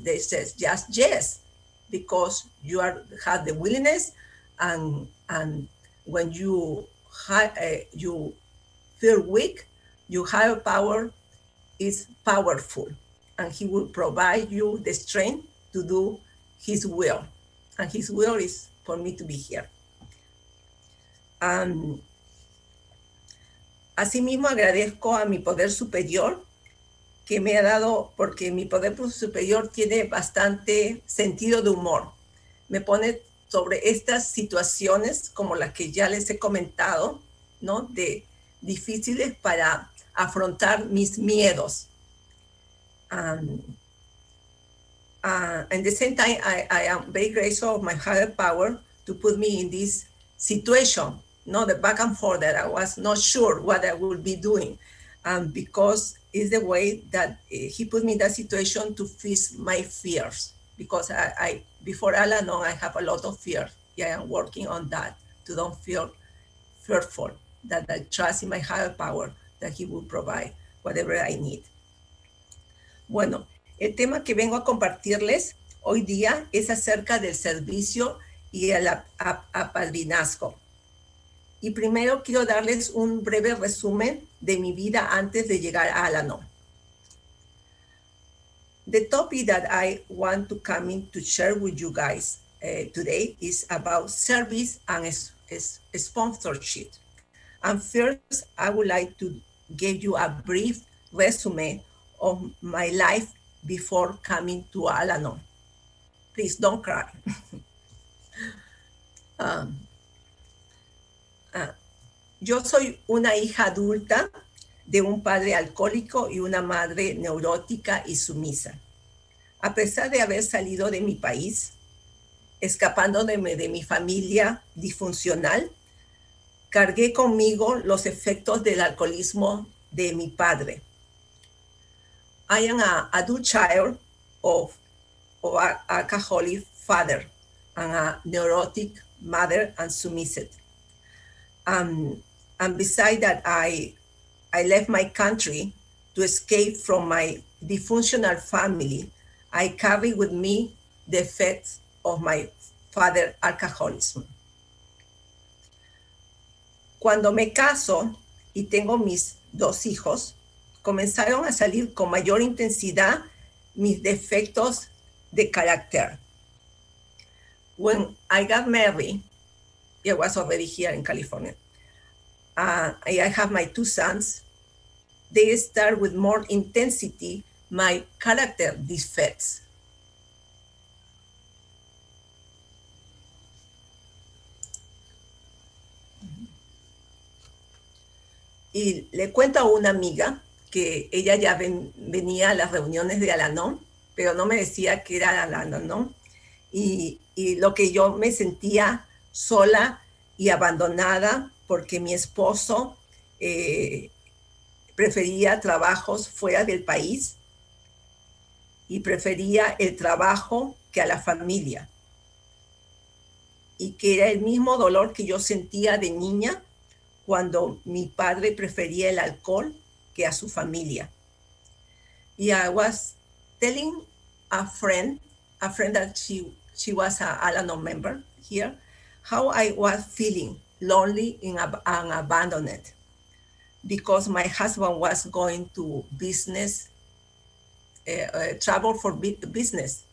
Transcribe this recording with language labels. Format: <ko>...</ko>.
<en>They says just yes, because you are have the willingness, and when you you feel weak, your higher power is powerful, and he will provide you the strength to do his will, and his will is for me to be here.</en> <es>Asimismo, agradezco a mi poder superior que me ha dado, porque mi poder superior tiene bastante sentido de humor. Me pone sobre estas situaciones como las que ya les he comentado, ¿no? De difíciles para afrontar mis miedos.</es> <en>At the same time, I am very grateful of my higher power to put me in this situation. No, the back and forth that I was not sure what I would be doing. And because it's the way that he put me in that situation to face my fears. Because I before Al-Anon, I have a lot of fear. Yeah, I am working on that, to don't feel fearful, that I trust in my higher power, that he will provide whatever I need.</en> <es>Bueno, el tema que vengo a compartirles hoy día es acerca del servicio y el apadrinazgo. Y primero quiero darles un breve resumen de mi vida antes de llegar a Al-Anon.</es> <en>The topic that I want to come in to share with you guys today is about service and sponsorship. And first, I would like to give you a brief resume of my life before coming to Al-Anon. Please don't cry.</en> <es>Yo soy una hija adulta de un padre alcohólico y una madre neurótica y sumisa. A pesar de haber salido de mi país, escapándome de mi familia disfuncional, cargué conmigo los efectos del alcoholismo de mi padre.</es> <en>I am an adult child of an alcoholic father and a neurotic mother and submissive. And beside that, I left my country to escape from my dysfunctional family. I carry with me the effects of my father's alcoholism.</en> <es>Cuando me caso y tengo mis dos hijos, comenzaron a salir con mayor intensidad mis defectos de carácter.</es> <en>When I got married, I was already here in California, I have my two sons, they start with more intensity my character defects.</en> <es>Y le cuento a una amiga que ella ya venía a las reuniones de Al-Anon, pero no me decía que era Al-Anon, y lo que yo me sentía sola y abandonada, porque mi esposo prefería trabajos fuera del país y prefería el trabajo que a la familia. Y que era el mismo dolor que yo sentía de niña cuando mi padre prefería el alcohol que a su familia.</es> <en>Y I was telling a friend that she was an Al-Anon member here, how I was feeling lonely and abandoned because my husband was going to business, travel for business.</en>